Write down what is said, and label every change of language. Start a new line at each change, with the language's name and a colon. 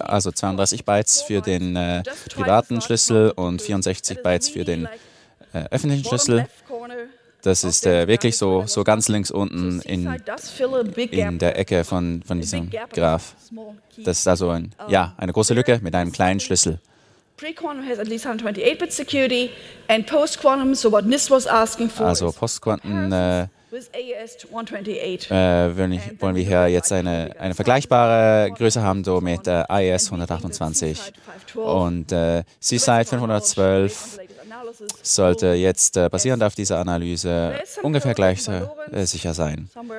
German: Also 32 Bytes für den privaten Schlüssel und 64 Bytes für den öffentlichen Schlüssel. Das ist wirklich so ganz links unten in der Ecke von diesem Graph. Das ist also eine große Lücke mit einem kleinen Schlüssel.
English: Pre-quantum has at least 128-bit security and post-quantum, so what NIST was asking for.
German: Also post-quantum wollen wir hier jetzt eine vergleichbare Größe haben, so mit AES 128 und CSIDE 512 sollte jetzt basierend auf dieser Analyse ungefähr gleich sicher sein.